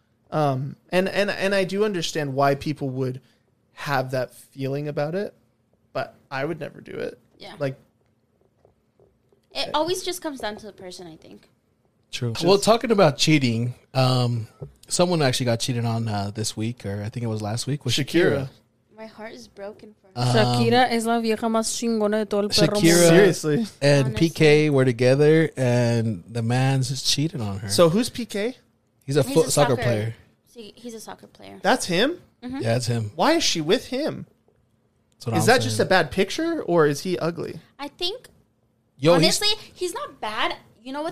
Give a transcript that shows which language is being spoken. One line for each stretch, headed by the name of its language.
English: And I do understand why people would have that feeling about it, but I would never do it. Yeah. Like... It always just comes down to the person, I think. True. Well, talking about cheating, someone actually got cheated on this week, or I think it was last week, with Shakira. My heart is broken for her.
Spanish: Shakira es la vieja más chingona de todo el perro.
English: Seriously. And honestly. PK were together, and the man's just cheated on her. So who's PK? He's a soccer player. He's a soccer player. That's him? Mm-hmm. Yeah, that's him. Why is she with him? Is that just a bad picture, or is he ugly? I think, he's not bad. You know what?